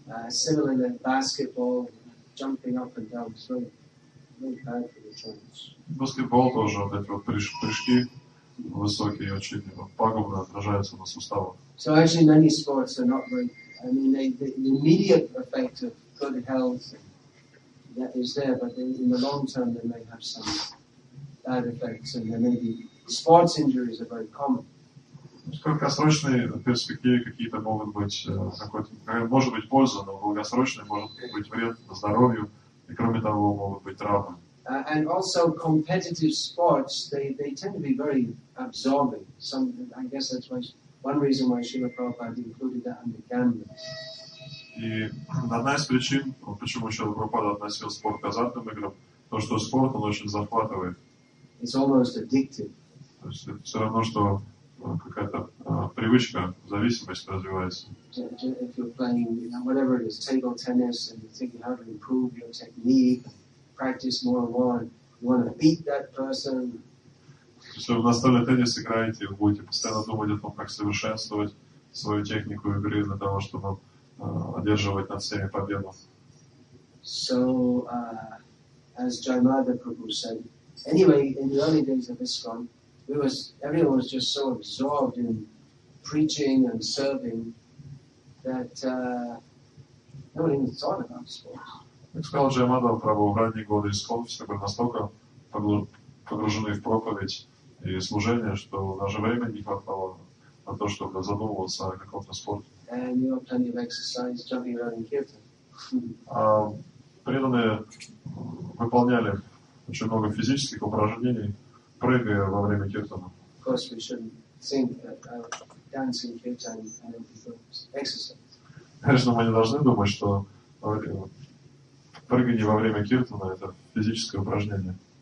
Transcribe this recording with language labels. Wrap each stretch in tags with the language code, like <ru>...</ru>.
<en>Similarly, basketball, jumping up and down, so really bad for the joints.</en> <ru>Баскетбол тоже, вот эти вот прыжки высокие, очень пагубно отражаются на суставах.</ru> <en>So actually, many sports are not very. I mean, the immediate effect of good health that is there, but in the long term, they may have some bad effects, and there may be sports injuries are very common.</en> <ru>Краткосрочные перспективы какие-то могут быть может быть польза, но долгосрочные может быть вред здоровью, и кроме того, могут быть травмы.</ru> <en>And also competitive sports, they tend to be very absorbing. Some, I guess that's why. One reason why Srila Prabhupada included that under gambling.</en> <ru>И одна из причин, почему Шрила Прабхупада относил спорт к азартным играм, то что спорт, он очень захватывает.</ru> <en>It's almost addictive.</en> <ru>То есть все равно, что какая-то привычка, зависимость развивается.</ru> <en>If you're playing, you know, whatever it is, table tennis, and you think you have to improve your technique, practice more and more, you want to beat that person.</en> <ru>Если вы в настольный теннис играете, вы будете постоянно думать о том, как совершенствовать свою технику игры для того, чтобы одерживать над всеми победу.</ru> <en>So, as Jaimada Prabhu said, anyway, in the early days of ISKCON, everyone was just so absorbed in preaching and serving that no one even thought about sports.</en> <ru>Как сказал Джаймада Прабху, в ранние годы ИСККОН все были настолько погружены в проповедь и служение, что даже времени не хватало на то, чтобы задумываться о каком-то спорте.</ru> <en>And you have plenty of exercise jumping around in kirtan.</en> <ru>Преданные выполняли очень много физических упражнений, прыгая во время киртана.</ru> <en>Of course, we shouldn't think that dancing kirtan is an exercise.</en> <ru>Конечно, мы не должны думать, что прыгание во время киртана — это физическое упражнение.</ru>